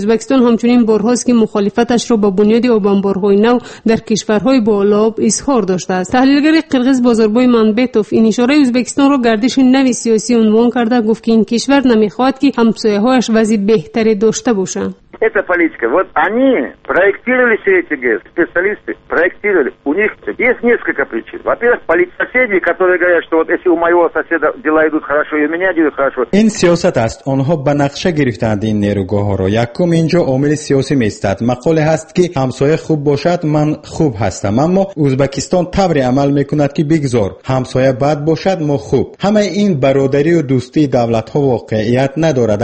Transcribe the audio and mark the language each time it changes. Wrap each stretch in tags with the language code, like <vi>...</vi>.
<fa>ازبکستان همچنین بارهاست که مخالفتش را با بنیاد اوبانبورهای نو در کشورهای بالا آب اظهار داشته است. تحلیلگر قرغیز بازاربوی منبتوف این اشاره ازبکستان را گردش نوی سیاسی عنوان کرده، گفت که این کشور نمیخواهد که همسایه هایش وضعی بهتری داشته باشند.</fa> <ru>Это политика. Вот они проектировали все эти ГЭС, специалисты проектировали. У них есть несколько причин. Во-первых, соседи, которые говорят, что вот если у моего соседа дела идут хорошо, и у меня идут хорошо.</ru> <tg>Ин сиёсат аст, онҳо ба нақша гирифтанд ин нерӯгоҳоро. Якум инҷо омили сиёсӣ мест. Мақоле ҳаст ки ҳамсоя хуб бошад, ман хуб ҳастам. Аммо Узбекистон тавре амал мекунад ки бигзор ҳамсоя бад бошад, мо хуб. Ҳамаи ин бародарӣ ва дӯстии давлатҳо воқеият надорад.</tg>